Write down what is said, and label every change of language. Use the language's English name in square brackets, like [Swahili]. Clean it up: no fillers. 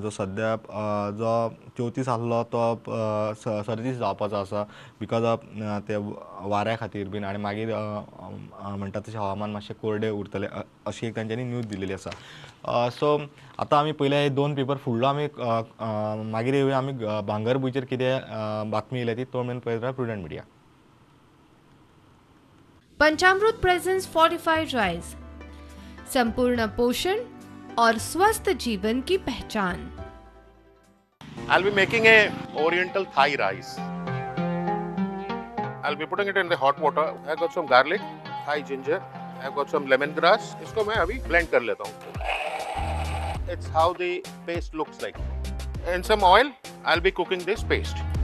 [Goan Konkani] जो सध्या जो 34 आसलो तो 37 जावपाचो असा बिकॉज ऑफ ते वाऱ्या खातीर बीन. आणि मागीर म्हणतात तसे हवामान मातशे कोरडे उरतले अशी एक त्यांच्यानी न्यूज दिलेली असा. सो आता आम्ही पहिले हे दोन पेपर फुडलो आम्ही मागीर येऊया. आम्ही भांगरभुईचेर किती बातमी येईल ती तो मेन पळयत राहा प्रुडंट मीडिया. [Hindi] पंचामृत प्रेझेंस फॉर्टिफाईड राईस, संपूर्ण पोषण और स्वस्थ जीवन की पहचान. [English] I'll be making a oriental Thai rice. I'll be putting it in the hot water. I've got some garlic, Thai ginger. I've got some lemongrass. [Hindi] Isko main abhi blend kar leta hun. [English] It's how the paste looks like. In some oil, I'll be cooking this paste.